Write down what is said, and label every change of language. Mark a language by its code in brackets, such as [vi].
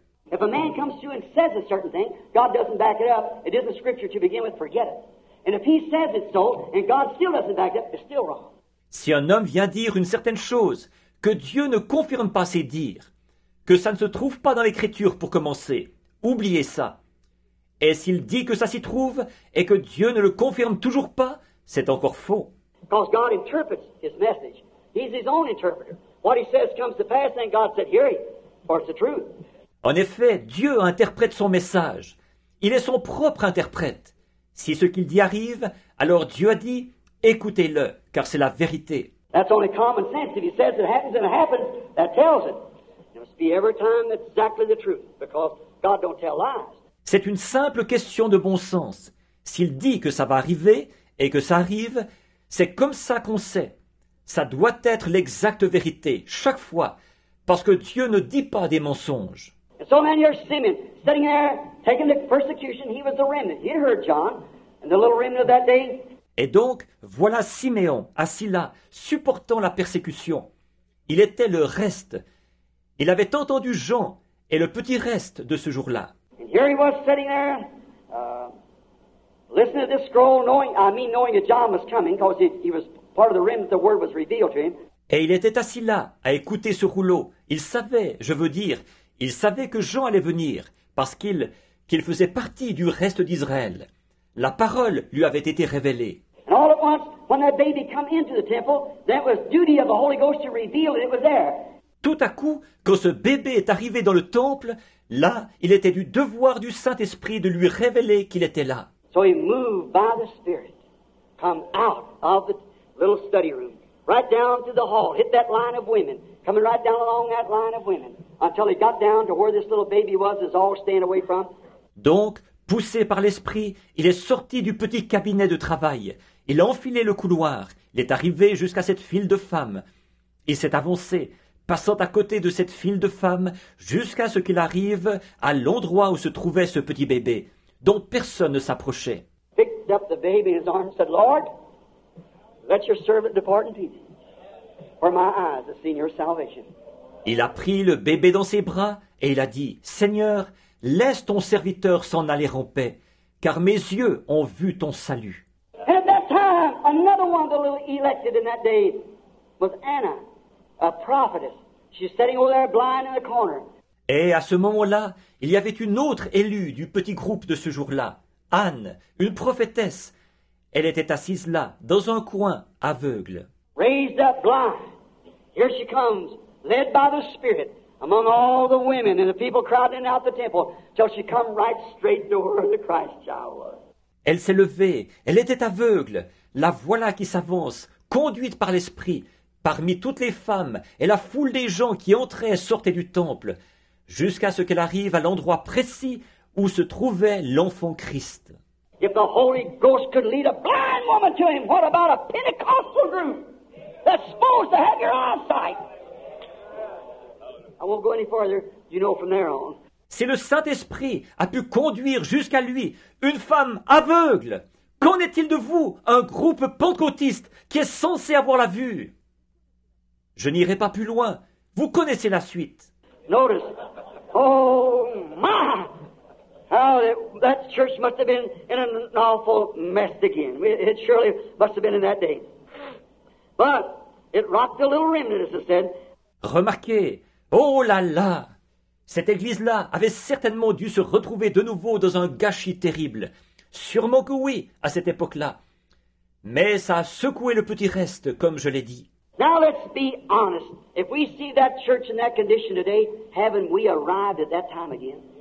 [en] If a man comes to you and says a certain thing, God doesn't back it up. It isn't scripture to begin with. Forget it. And if he says it's so, and God still doesn't back it up, it's still wrong. [fr] Si un homme vient dire une certaine chose, que Dieu ne confirme pas ses dires, que ça ne se trouve pas dans l'Écriture pour commencer, oubliez ça. Et s'il dit que ça s'y trouve, et que Dieu ne le confirme toujours pas, c'est encore faux. [en] Because God interprets his message. He's his own interpreter. What he says comes to pass, and God said, hear it, for it's the truth. [fr] En effet, Dieu interprète son message. Il est son propre interprète. Si ce qu'il dit arrive, alors Dieu a dit, écoutez-le, car c'est la vérité. [en] That's only common sense. If he says it happens and it happens, that tells it. It must be every time exactly the truth, because God don't tell lies. [fr] C'est une simple question de bon sens. S'il dit que ça va arriver et que ça arrive, c'est comme ça qu'on sait. Ça doit être l'exacte vérité, chaque fois, parce que Dieu ne dit pas des mensonges. [en] And so many are Simeon, sitting there, taking the persecution, he was the remnant. He heard John, and the little remnant of that day. [fr] Et donc, voilà Simeon, assis là, supportant la persécution. Il était le reste. Il avait entendu Jean et le petit reste de ce jour-là. [en] And here he was sitting there, listening to this scroll, knowing that John was coming, because he was part of the remnant, the word was revealed to him. [fr] Et il était assis là, à écouter ce rouleau. Il savait, je veux dire, il savait que Jean allait venir, parce qu'il faisait partie du reste d'Israël. La parole lui avait été révélée. [en] And all at once, when that baby came into the temple, that was duty of the Holy Ghost to reveal it, it was there. [fr] Tout à coup, quand ce bébé est arrivé dans le temple, là, il était du devoir du Saint-Esprit de lui révéler qu'il était là. [en] So he moved by the Spirit, come out of the little study room, right down to the hall, hit that line of women, coming right down along that line of women. Until he got down to where this little baby was, is all staying away from. [fr] Donc, poussé par l'esprit, il est sorti du petit cabinet de travail. Il a enfilé le couloir. Il est arrivé jusqu'à cette file de femmes. Il s'est avancé, passant à côté de cette file de femmes, jusqu'à ce qu'il arrive à l'endroit où se trouvait ce petit bébé, dont personne ne s'approchait. [en] Picked up the baby in his arms, said, Lord, let your servant depart in peace, for my eyes have seen your salvation. [fr] Il a pris le bébé dans ses bras et il a dit, « Seigneur, laisse ton serviteur s'en aller en paix, car mes yeux ont vu ton salut. » [en] At that time, another one of the little elected in that day was Anna, a prophetess. She's sitting over there blind in the corner. [fr] Et à ce moment-là, il y avait une autre élue du petit groupe de ce jour-là, Anne, une prophétesse. Elle était assise là, dans un coin, aveugle. [en] raised up blind. Here she comes, led by the Spirit, among all the women and the people crowding out the temple, till she come right straight to where the Christ child was. [fr] Elle s'est levée, elle était aveugle. La voilà qui s'avance, conduite par l'Esprit, parmi toutes les femmes et la foule des gens qui entraient et sortaient du temple, jusqu'à ce qu'elle arrive à l'endroit précis où se trouvait l'enfant Christ. [en] If the Holy Ghost could lead a blind woman to him, what about a Pentecostal group that's supposed to have your eyesight? I won't go any further, you know, from there on. [fr] Si le Saint-Esprit a pu conduire jusqu'à lui une femme aveugle, qu'en est-il de vous, un groupe pentecôtiste qui est censé avoir la vue? Je n'irai pas plus loin. Vous connaissez la suite. [en] Notice. Oh, my! How that church must have been in an awful mess again. It surely must have been in that day. But it rocked a little remnant, as I said. [fr] Remarquez. Oh là là! Cette église-là avait certainement dû se retrouver de nouveau dans un gâchis terrible. Sûrement que oui, à cette époque-là. Mais ça a secoué le petit reste, comme je l'ai dit. [en] Now let's be honest. If we see that church in that condition today, haven't we arrived at that time again?